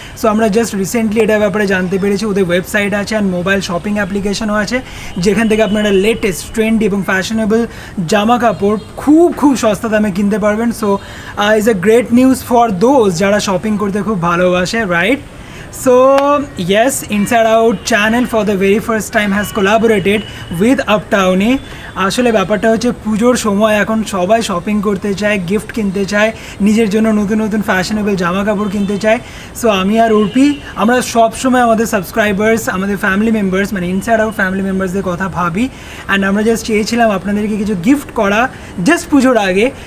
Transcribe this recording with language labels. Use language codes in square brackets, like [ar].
[bn] So আমরা just recently এটার ব্যাপারে জানতে পেরেছি, ওদের ওয়েবসাইট আছে অ্যান্ড মোবাইল শপিং অ্যাপ্লিকেশনও আছে, যেখান থেকে আপনারা লেটেস্ট ট্রেন্ডি এবং ফ্যাশনেবল জামা কাপড় খুব খুব সস্তা দামে কিনতে পারবেন। [en] so is a great news for those [bn] যারা শপিং করতে খুব ভালোবাসে, [en] Right? So yes, Inside Out channel for the very first time has collaborated with Uptowni. [bn] আসলে ব্যাপারটা হচ্ছে পুজোর সময় এখন সবাই শপিং করতে চায়, গিফট কিনতে চায়, নিজের জন্য নতুন নতুন ফ্যাশনেবল জামা কাপড় কিনতে চায়। সো আমি আর উর্পি আমরা সবসময় আমাদের সাবস্ক্রাইবার্স, আমাদের ফ্যামিলি মেম্বার্স, মানে ইনসাইড আউট ফ্যামিলি মেম্বার্সদের কথা ভাবি অ্যান্ড আমরা জাস্ট চেয়েছিলাম আপনাদেরকে কিছু গিফট করা জাস্ট পুজোর আগে।